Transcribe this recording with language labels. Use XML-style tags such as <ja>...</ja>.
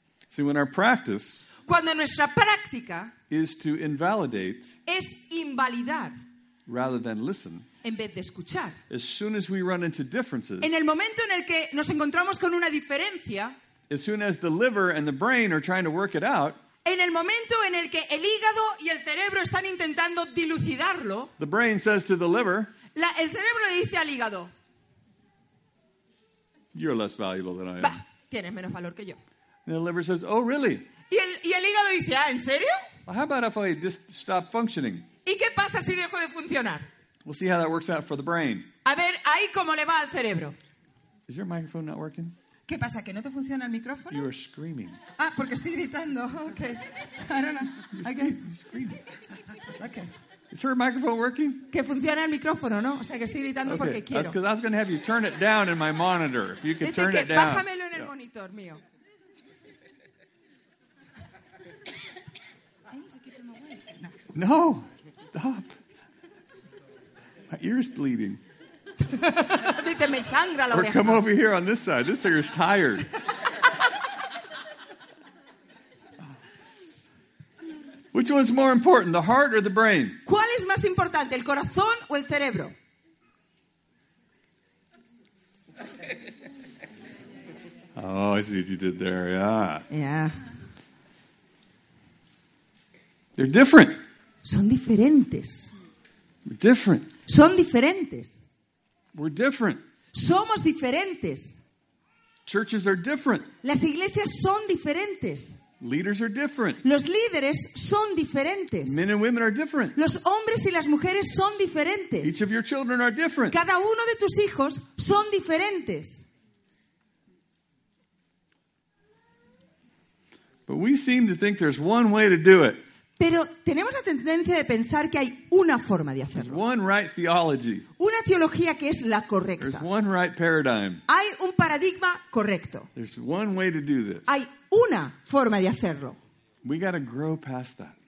<en>See, when our practice,</en> <es>cuando nuestra práctica,</es> <en>is to invalidate,</en> <es>es invalidar,</es> <en>rather than listen,</en> <es>en vez de escuchar,</es> <en>as soon as we run into differences,</en> <es>en el momento en el que nos encontramos con una diferencia,</es> <en>as soon as the liver and the brain are trying to work it out,</en> <es>en el momento en el que el hígado y el cerebro están intentando dilucidarlo,</es> <en>the brain says to the liver,</en> <es>el cerebro le dice al hígado,</es> <en>you're less valuable than I am.</en> <es>Bah, tienes menos valor que yo.</es> <en>And the liver says, oh, really?</en> <es>Y el hígado dice, ah, ¿en serio?</es> <en>Well, how about if I just stop functioning?</en> <es>¿Y qué pasa si dejo de funcionar?</es> <en>We'll see how that works out for the brain.</en> <es>A ver, ahí cómo le va al cerebro.</es> <en>Is your microphone not working?</en> <es>¿Qué pasa? ¿Que no te funciona el micrófono?</es> <en>You are screaming.</en> <es>Ah, porque estoy gritando.</es> <en>Okay. I don't know. You're screaming. Okay. Is her microphone working?</en> <es>Que funciona el micrófono, ¿no? O sea, que estoy gritando</es> <en>okay.</en> <es>porque quiero.</es> <en>Because I was going to have you turn it down in my monitor. If you could</en> <es>Dice</es> <en>turn</en> <es>que</es> <en>it down.</en> <es>Bájamelo en el monitor mío.</es> <en>No, stop. My ear's bleeding.</en> <es>Dice, me sangra la oreja.</es> <en>Or come over here on this side. This ear is tired. Which one's more important, the heart or the brain?</en> <es>¿Cuál es más importante, el corazón o el cerebro?</es> <en>Oh, I see what you did there, yeah. Yeah. They're different.</en> <es>Son diferentes.</es> <en>We're different.</en> <es>Son diferentes.</es> <en>We're different.</en> <es>Somos diferentes.</es> <en>Churches are different.</en> <es>Las iglesias son diferentes.</es> <en>Leaders are different.</en> <es>Los líderes son diferentes.</es> <en>Men and women are different.</en> <es>Los hombres y las mujeres son diferentes.</es> <en>Each of your children are different.</en> <es>Cada uno de tus hijos son diferentes.</es> <en>But we seem to think there's one way to do it.</en> <es>Pero tenemos la tendencia de pensar que hay una forma de hacerlo.</es> <en>There's one right theology.</en> <es>Una teología que es la correcta.</es> <en>There's one right paradigm.</en> <es>Hay un paradigma correcto.</es> <en>There's one way to do this.</en> <es>Hay una forma de hacerlo.</es> <en>We gotta grow past that.</en>